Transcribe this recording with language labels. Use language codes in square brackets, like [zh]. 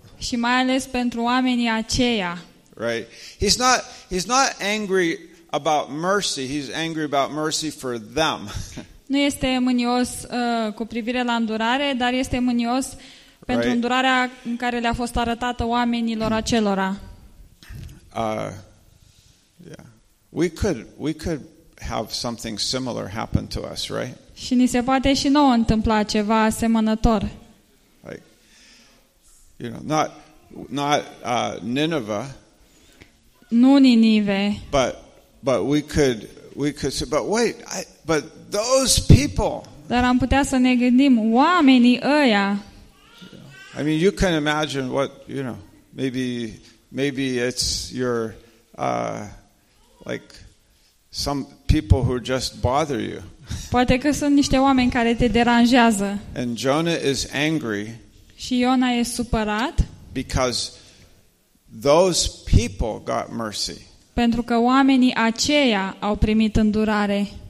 [ro] Și mai ales pentru oamenii aceia. [en] Right. He's not angry about mercy, he's angry about mercy for them. [ro] Nu este mânios cu privire la îndurare, dar este mânios pentru îndurarea în care le-a fost arătată oamenilor acelora. [en] We could have something similar happen to us, right? [ro] Și ni se poate și nouă întâmpla ceva asemănător. [en] Like, you know, not Nineveh. [ro] Nu Ninive. [en] But those people. [ro] Dar am putea să ne gândim oamenii ăia. [en] I mean, you can imagine what, you know, maybe it's your like some people who just bother you. [ro] Poate că sunt niște oameni care te deranjează. [en] And Jonah is angry. [ro] Și Iona e supărat. [en] Because those people got mercy. [ro] Pentru că oamenii aceia au primit îndurare.